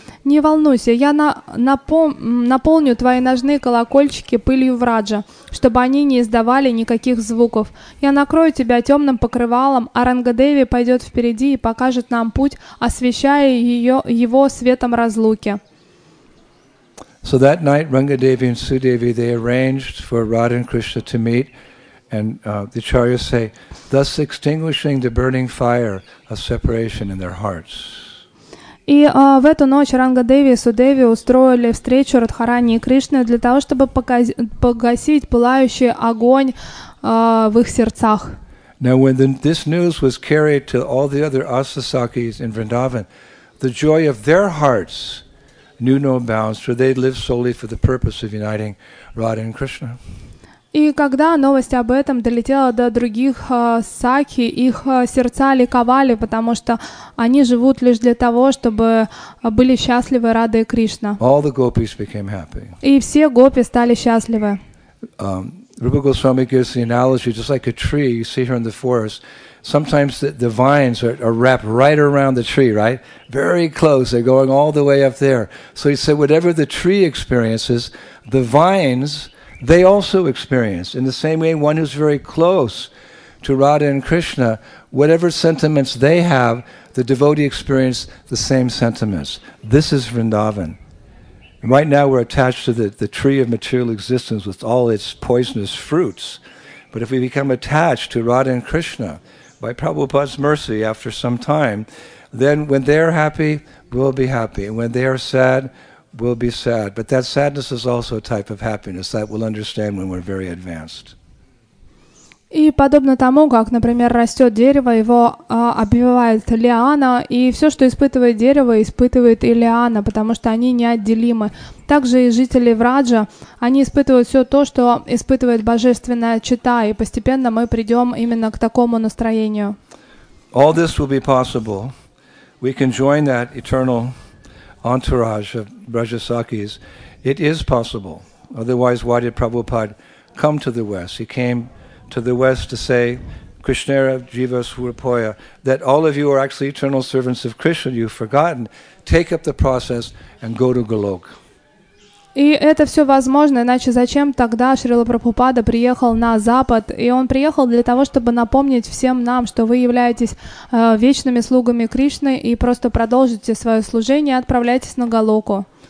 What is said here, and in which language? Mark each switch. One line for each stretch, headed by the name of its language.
Russian: Не волнуйся, я наполню твои ножные колокольчики пылью враджа, чтобы они не издавали никаких звуков. Я накрою тебя темным покрывалом, а Рангадеви пойдет впереди и покажет нам путь, освещая его светом разлуки.
English: So that night, Rangadevi and Sudevi, they arranged for Radha and Krishna to meet, and the acharyas say, thus extinguishing the burning fire of separation in their hearts.
Russian: И в эту ночь Рангадеви и Судеви устроили встречу Радхарани и Кришны для того, чтобы погасить пылающий огонь в их сердцах.
English: Now when this news was carried to all the other asasakis in Vrindavan, the joy of their hearts knew no bounds, for they lived solely for the purpose of uniting Radha and Krishna.
Russian: И когда новость об этом долетела до других сакхи, их сердца ликовали, потому что они живут лишь для того, чтобы были счастливы Рада и Кришна.
English: All the gopis became happy.
Russian: И все гопи стали счастливы.
English: Rupa Goswami gives the analogy, just like a tree you see here in the forest. Sometimes the vines are wrapped right around the tree, right? Very close, they're going all the way up there. So he said, whatever the tree experiences, the vines they also experience. In the same way, one who's very close to Radha and Krishna, whatever sentiments they have, the devotee experiences the same sentiments. This is Vrindavan. And right now we're attached to the tree of material existence with all its poisonous fruits. But if we become attached to Radha and Krishna, by Prabhupada's mercy after some time, then when they're happy, we'll be happy. And when they're sad, will be sad, but that sadness is also a type of happiness that we'll understand when we're very advanced.
Russian: И подобно тому, как, например, растет дерево, его обвивает лиана, и все, что испытывает дерево, испытывает и лиана, потому что они неотделимы. Также и жители Враджа, они испытывают все то, что испытывает божественная чита, и постепенно мы придем именно к такому настроению.
English: All this will be possible. We can join that eternal entourage of Brajasakis. It is possible. Otherwise, why did Prabhupada come to the West? He came to the West to say,
Bangla: Krishnera Jiva Swarupoya,
English: that all of you are actually eternal servants of Krishna, you've forgotten. Take up the process and go to Golok.
Russian: И это все возможно, иначе зачем тогда Шрила Прабхупада приехал на Запад? И он приехал для того, чтобы напомнить всем нам, что вы являетесь вечными слугами Кришны и просто продолжите свое служение и отправляйтесь на Голоку.